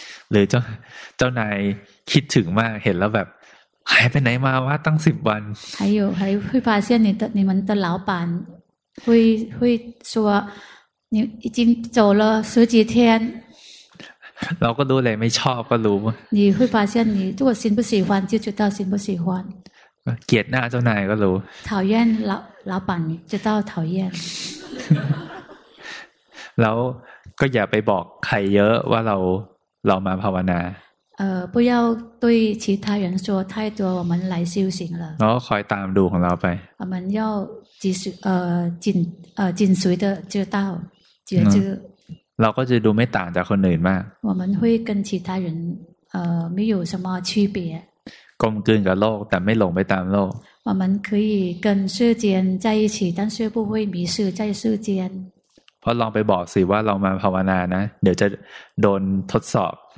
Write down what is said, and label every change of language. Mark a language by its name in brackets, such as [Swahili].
[Thai] หรือเจ้านายคิดถึงมากเห็นแล้วแบบหายไปไหนมาว่าตั้ง10วัน [Chinese] 还会发现你们的老板会说你已经走了十几天 [Thai] เราก็รู้เลยไม่ชอบก็รู้ [Chinese] 你会发现你如果心不喜欢就知道心不喜欢 [Thai] เกลียดหน้าเจ้านายก็รู้ [Chinese] 讨厌老板知道讨厌 [Thai] แล้วก็อย่าไปบอกใครเยอะว่าเรามาภาวนา [Chinese] 不要对其他人说太多我们来修行了 [Thai] 然后คอยตามดูของเราไป [Chinese] 我们要紧随的知道觉知 [Thai] เราก็จะดูไม่ต่างจากคนอื่นมาก [Chinese] 我们会跟其他人没有什么区别 [Thai] กลมกลืนกับโลกแต่ไม่หลงไปตามโลก [Chinese] 我们可以跟世间在一起但是不会迷失在世间 [Thai] พอลองไปบอกสิว่าเรามาภาวนานะเดี๋ยวจะโดนทดสอบ